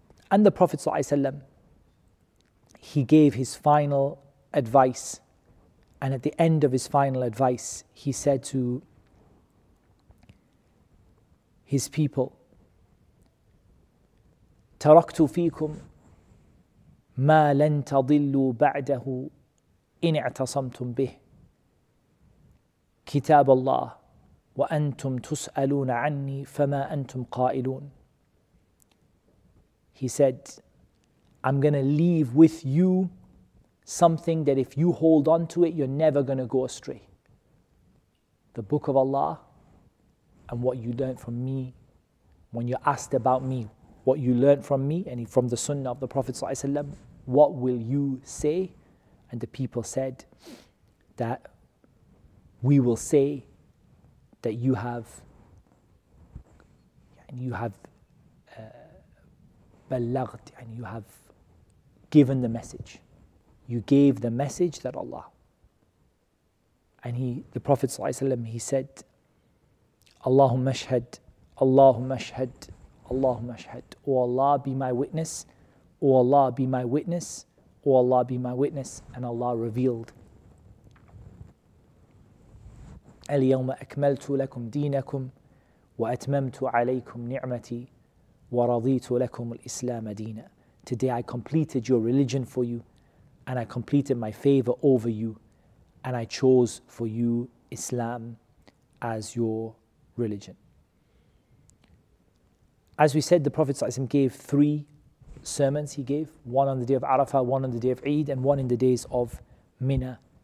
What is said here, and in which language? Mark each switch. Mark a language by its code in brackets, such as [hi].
[en] And the Prophet ﷺ, he gave his final advice, and at the end of his final advice, he said to his people, [ar] "Taraktu fikum ma lan tadillu ba'dahu in i'tasamtum bih." كتاب الله وأنتم تسألون عني فما أنتم قائلون. [en] He said, "I'm going to leave with you something that if you hold on to it, you're never going to go astray. The Book of Allah and what you learned from me when you're asked about me, what you learned from me and from the Sunnah of the Prophet ﷺ, what will you say?" And the people said that, "We will say that you have بلغت, and you have given the message. You gave the message that Allah. And the Prophet صلى الله عليه وسلم, he said, [ar] اللهم اشهد, اللهم اشهد, اللهم اشهد. [en] O Allah, be my witness. O Allah, be my witness. O Allah, be my witness. And Allah revealed. [ar] اليوم أكملت لكم دينكم وأتممت عليكم نعمتي ورضيت لكم الإسلام دينا. [en] Today I completed your religion for you, and I completed my favor over you, and I chose for you Islam as your religion. As we said, the Prophet ﷺ gave three sermons. He gave one on the day of Arafah, one on the day of Eid, and one in the days of Mina.